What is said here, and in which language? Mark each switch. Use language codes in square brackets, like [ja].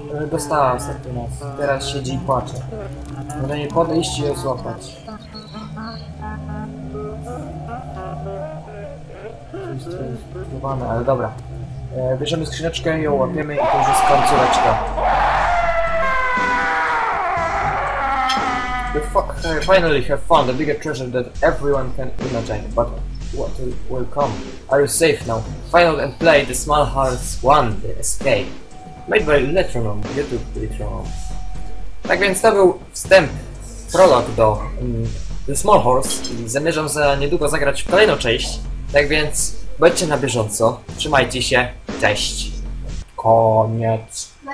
[pl] Dostała ostatni raz. Teraz siedzi i płacze. Może nie podejść i ją złapać. Ale dobra. Bierzemy skrzyneczkę, ją łapiemy i to już jest końcóweczka. [en] Finally have found a bigger treasure than everyone can imagine. But what will come? Are you safe now? Final and play the small hearts one, the escape. Made by Letronom, YouTube Letronom. [pl] Tak więc to był wstęp, prolog do The Small Horse i zamierzam za niedługo zagrać w kolejną część. Tak więc bądźcie na bieżąco, trzymajcie się, cześć. Koniec.